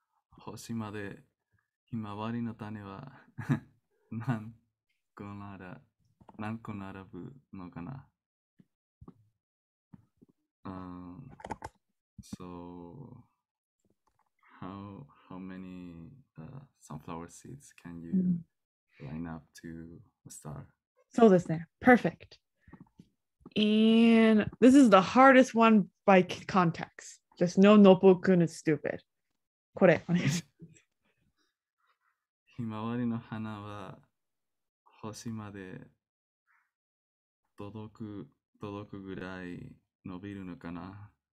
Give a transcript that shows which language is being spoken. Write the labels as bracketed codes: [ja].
[ja] 星まで、ひまわりの種は何個並ぶのかな。 [en] So, how many sunflower seeds can you line up to a star? [ja] そうですね。 [en] Perfect. And this is the hardest one by context. Just know Nopokun is stupid. [ja] これ、お願いします。ひまわりの花は星まで届くぐらい伸びるのかな。